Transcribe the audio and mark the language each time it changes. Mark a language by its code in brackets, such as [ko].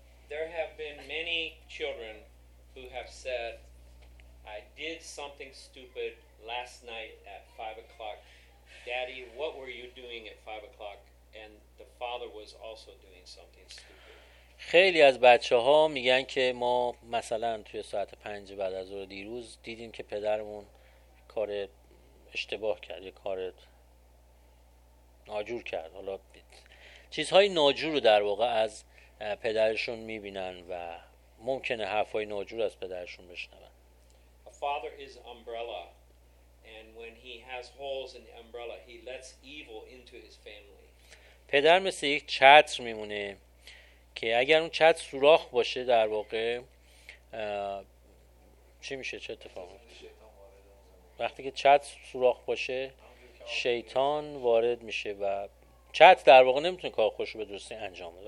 [en] There have been many children who have said I did something stupid last night at 5 o'clock. Daddy, what were you doing at 5 o'clock? And the father was also doing something stupid. [fa] خیلی از بچه‌ها میگن که ما مثلا توی ساعت 5 بعد از ظهر دیروز دیدیم که پدرمون کار اشتباه کرد، یه کار ناجور کرد. حالا چیزهای ناجور رو در واقع از پدرشون میبینن و ممکنه حرفای ناجور از پدرشون بشنون. [en] A father is umbrella and when he has holes in the umbrella he lets evil into his family. [fa] پدر مثل یک چتر میمونه که اگر اون چتر سوراخ باشه در واقع چی میشه، چه اتفاقی میفته؟ وقتی که چتر سوراخ باشه شیطان وارد میشه و چتر در واقع نمیتونه کار خودش رو به درستی انجام بده.